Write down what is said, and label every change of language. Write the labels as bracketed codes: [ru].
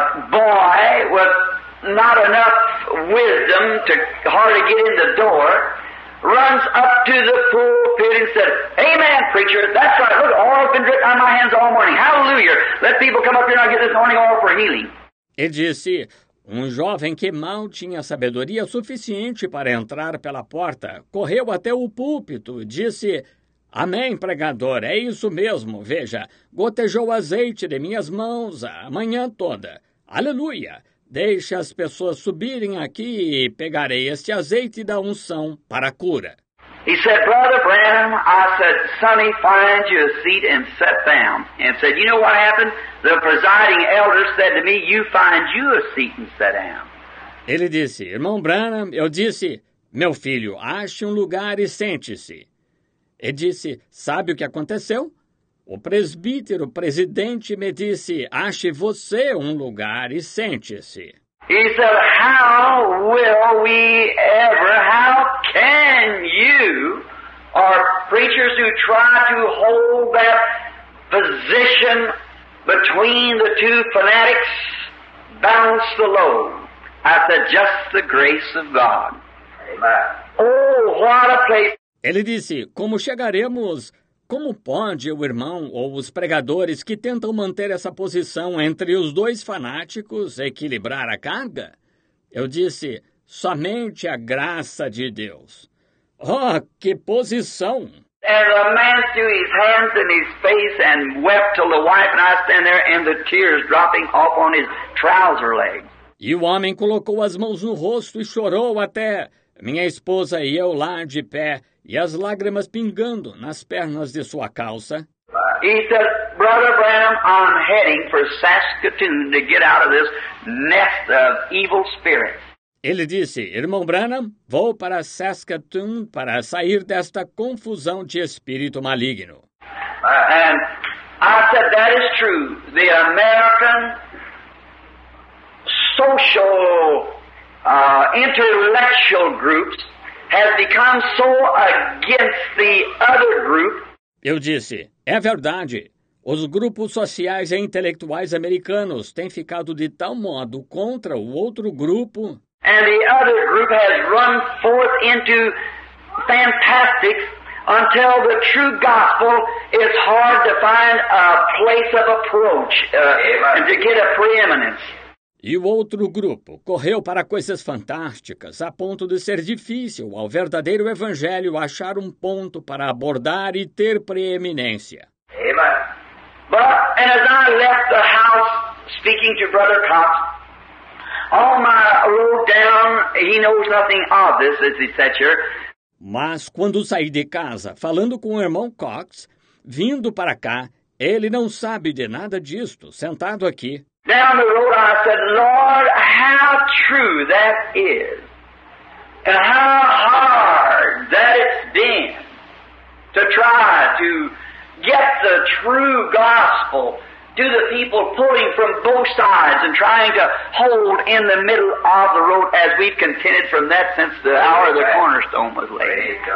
[en] boy with not enough wisdom to hardly get in the door runs up to the pulpit and says, Amen, preacher, that's right. Look, oil has been dripping on my hands all morning. Hallelujah. Let people come up here and get this morning oil for healing. [pt] E disse, um jovem que mal tinha sabedoria suficiente para entrar pela porta, correu até o púlpito e disse, Amém, pregador, é isso mesmo, veja, gotejou azeite de minhas mãos a manhã toda. Aleluia, deixe as pessoas subirem aqui e pegarei este azeite da unção para a cura. [en] He said, Brother Branham, I said, Sonny, find you a seat and sit down. And said, you know what happened? The presiding elder said to me, you find you a seat and sit down. [pt] Ele disse, Irmão Branham, eu disse, meu filho, ache lugar e sente-se. Ele disse, sabe o que aconteceu? O presbítero, o presidente, me disse, ache você lugar e sente-se. [en] He said, how will we ever, how can you, our preachers who try to hold that position between the two fanatics, balance the load? I said, just the grace of God. Oh, what a place. [pt] Ele disse, como chegaremos, como pode o irmão ou os pregadores que tentam manter essa posição entre os dois fanáticos equilibrar a carga? Eu disse, somente a graça de Deus. Oh, que posição! [en] And the man threw his hands in his face and wept till the wife and I stand there and the tears dropping off on his trouser legs. [pt] E o homem colocou as mãos no rosto e chorou até minha esposa e eu lá de pé e as lágrimas pingando nas pernas de sua calça. [en] He said, Brother Branham, I'm heading for Saskatoon to get out of this nest of evil spirits. [pt] Ele disse, Irmão Branham, vou para Saskatoon para sair desta confusão de espírito maligno. [en] And I said, that is true. The American social intellectual groups have become so against the other group. [pt] Eu disse, é verdade. Os grupos sociais e intelectuais americanos têm ficado de tal modo contra o outro grupo. [en] And the other group has run forth into fantastics until the true gospel is hard to find a place of approach and to get a preeminence. [pt] E o outro grupo correu para coisas fantásticas, a ponto de ser difícil ao verdadeiro evangelho achar ponto para abordar e ter preeminência. [en] Amen. But as I left the house speaking to Brother Cox, on my road down, he knows nothing of this, as he said here. [pt] Mas quando saí de casa, falando com o irmão Cox, vindo para cá, ele não sabe de nada disto, sentado aqui. [en] Down the road, I said, Lord, how true that is, and how hard that it's been to try to get the true gospel to the people pulling from both sides and trying to hold in the middle of the road as we've contended from that since the hour of the cornerstone was laid.